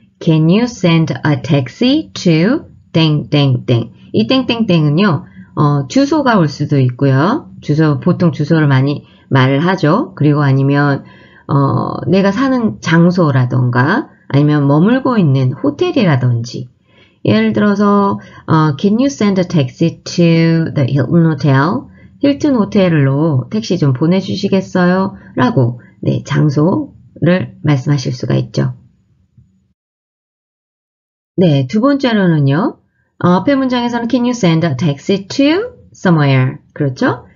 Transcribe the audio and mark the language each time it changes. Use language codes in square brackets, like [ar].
[en] Can you send a taxi to 땡땡땡? [ko] 이 땡땡땡은요, 주소가 올 수도 있고요. 주소, 보통 주소를 많이 말을 하죠. 그리고 아니면 내가 사는 장소라던가 아니면 머물고 있는 호텔이라든지. 예를 들어서 [en] Can you send a taxi to the Hilton Hotel? [ko] 힐튼 호텔로 택시 좀 보내주시겠어요? 라고 네, 장소를 말씀하실 수가 있죠. 네, 두 번째로는요. 앞에 문장에서는 [en] Can you send a taxi to somewhere? [ko] 그렇죠?